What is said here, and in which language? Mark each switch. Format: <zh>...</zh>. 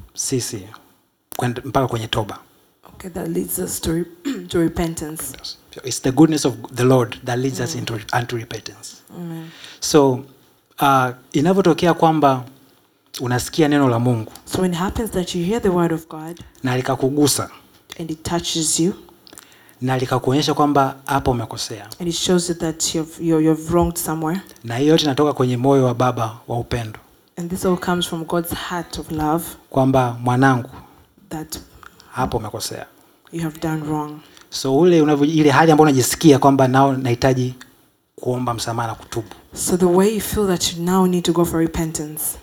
<sw>sisi kwenda mpaka kwenye toba.</sw> <en>Okay, that leads us to to repentance. It's the goodness of the Lord that leads us into unto repentance. Amen.</en> <sw>So inavyotokea kwamba unasikia neno la Mungu,</sw> <en>so when it happens that you hear the word of God</en> <sw>na likakugusa</sw> <en>and it touches you</en> <sw>na likakuonyesha kwamba hapo umekosea</sw> <en>and it shows you that you've wronged somewhere,</en> <sw>na hiyo yote inatoka kwenye moyo wa baba wa upendo,</sw> <en>and this all comes from God's heart of love,</en> <sw>kwamba mwanangu</sw> <en>that</en> <sw>hapo umekosea,</sw> <en>you have done wrong.</en> <sw>So ule unavyo ile hali ambayo unajisikia kwamba nao nahitaji kuomba msamaha na kutubu,</sw> <en>so the way you feel that you now need to go for repentance,</en>